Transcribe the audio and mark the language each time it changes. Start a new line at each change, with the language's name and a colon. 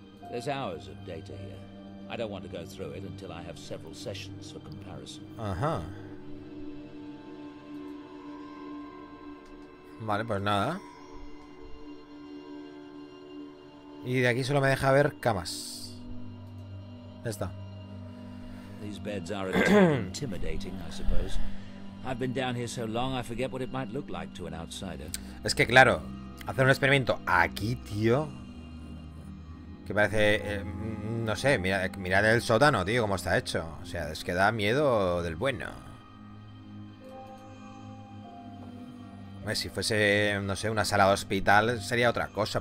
English: There's hours of data here. I don't want to go through it until I have several sessions for comparison. Ajá.
Spanish: Vale, pues nada. Y de aquí solo me deja ver camas. Ya está.
English: These beds are a bit intimidating, I suppose. I've been down here so long I forget what it might look like to an outsider.
Spanish: Es que claro, hacer un experimento aquí, tío. Que parece, no sé, mirad el sótano, tío, cómo está hecho. O sea, es que da miedo del bueno. Hombre, si fuese, no sé, una sala de hospital sería otra cosa.